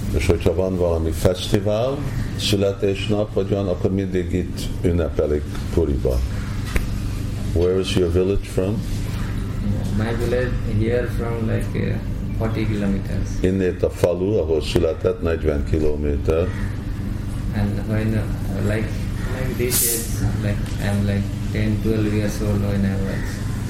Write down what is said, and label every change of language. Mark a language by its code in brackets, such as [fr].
[hu] És hogyha van valami fesztivál, születésnap vagy olyan, akkor mindig itt ünnepelik Puriba. [en] Where is your village from? My village here from like 40 kilometers. [hu] Innét a falu, ahol született, 40 kilométer. [en] And when like this is like I'm like 10-12 years old when I was.